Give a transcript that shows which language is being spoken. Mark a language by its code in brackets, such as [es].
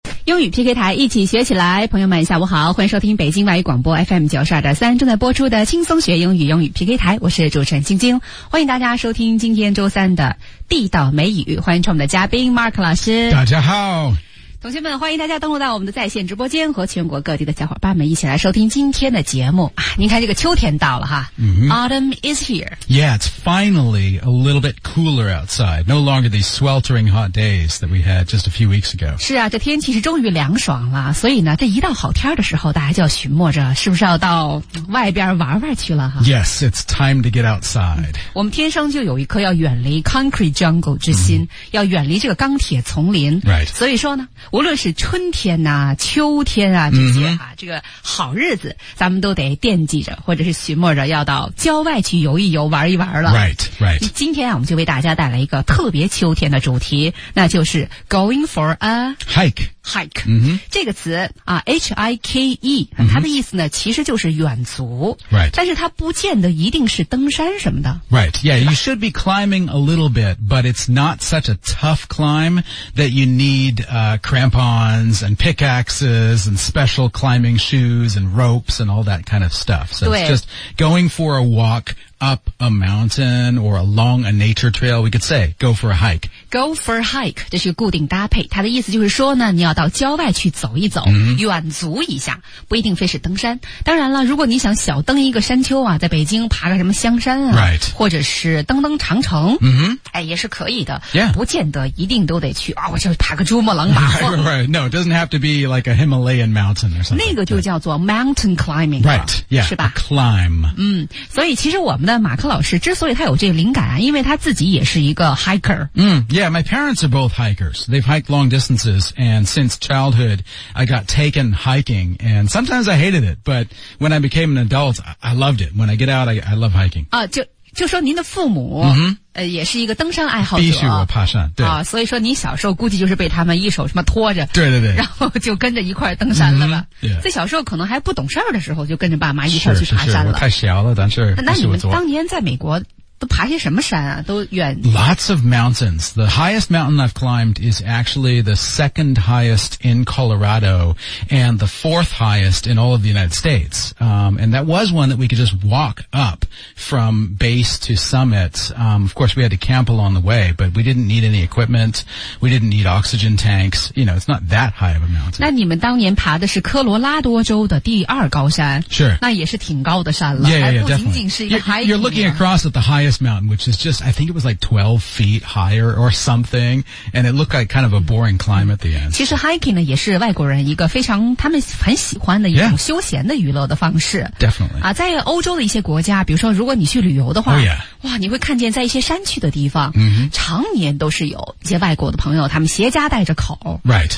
[zh] 英语 PK 台一起学起来，朋友们下午好，欢迎收听北京外语广播 FM92.3 正在播出的轻松学英语，英语 PK 台，我是主持人晶晶，欢迎大家收听今天周三的地道美语，欢迎创我们的嘉宾 Mark 老师。大家好。同学们，欢迎大家登录到我们的在线直播间，和全国各地的小伙伴们一起来收听今天的节目啊！您看这个秋天到了哈、 Autumn is here. [en] Yeah, it's finally a little bit cooler outside. No longer these sweltering hot days that we had just a few weeks ago. [zh] 是啊，这天气是终于凉爽了，所以呢，这一到好天的时候，大家就要寻摸着是不是要到外边玩玩去了哈。 [en] Yes, it's time to get outside. [zh] 我们天生就有一颗要远离 concrete jungle 之心、要远离这个钢铁丛林。 [en] Right. [zh] 所以说呢，无论是春天啊秋天啊这些啊、这个好日子咱们都得惦记着或者是寻摸着要到郊外去游一游玩一玩了。 [en] Right, right. [zh] 今天啊我们就为大家带来一个特别秋天的主题，那就是 going for a [en] hike. Hike、 mm-hmm. [zh] 这个词啊 ,H-I-K-E,、mm-hmm. 它的意思呢其实就是远足。 [en] Right. [zh] 但是它不见得一定是登山什么的。 [en] Right, yeah, you should be climbing a little bit, but it's not such a tough climb that you need, crampons and pickaxes and special climbing shoes and ropes and all that kind of stuff. So it's just going for a walk. Up a mountain or along a nature trail, we could say, go for a hike. [zh] Go for a hike, 这是个固定搭配。它的意思就是说呢，你要到郊外去走一走、远足一下，不一定非是登山。当然了，如果你想小登一个山丘啊，在北京爬个什么香山啊、 [en] right. [zh] 或者是登登长城、 mm-hmm. 哎、也是可以的、 [en] yeah. [zh] 不见得一定都得去、哦、我就爬个珠穆朗玛 [en] 峰。 Right, right. No, it doesn't have to be like a Himalayan mountain or something. [zh] 那个就叫做 mountain climbing. [en] Right, yeah, [zh] 是吧 [en] a climb.、 [zh] 所以其实我们的马克老师之所以他有这个灵感啊，因为他自己也是一个 hiker。 [en] Yeah, my parents are both hikers. They've hiked long distances, and since childhood, I got taken hiking, and sometimes I hated it, but when I became an adult, I loved it. When I get out, I love hiking. [zh] 啊，就说您的父母、也是一个登山爱好者，必须我爬山，对啊，所以说你小时候估计就是被他们一手什么拖着，对对对，然后就跟着一块登山了吧。对、mm-hmm, yeah. ，在小时候可能还不懂事儿的时候，就跟着爸妈一块去爬山了。是是是，我太小了，但是那你们当年在美国都爬些什么山啊？都远 [en] ？Lots of mountains. The highest mountain I've climbed is actually the second highest in Colorado, and the fourth highest in all of the United States. And that was one that we could just walk up from base to summit. Of course, we had to camp along the way, but we didn't need any equipment. We didn't need oxygen tanks. You know, it's not that high of a mountain. [zh] 那你们当年爬的是科罗拉多州的第二高山？ [en] Sure. [zh] 那也是挺高的山了。 [en] Yeah, yeah, yeah, [zh] 不仅仅是一个 hiking. [en] You're looking across at the highest mountain, which is just, I think it was like 12 feet higher or something, and it looked like kind of a boring climb at the end. [zh] 其实 hiking 呢也是外国人一个非常他们很喜欢的一种休闲的娱乐的方式。 [en] Yeah, definitely. [zh] 啊，在欧洲的一些国家，比如说如果你去旅游的话、 [en] oh, yeah. [zh] 哇，你会看见在一些山区的地方、 mm-hmm. 常年都是有一些外国的朋友他们携家带着口、 [en] right.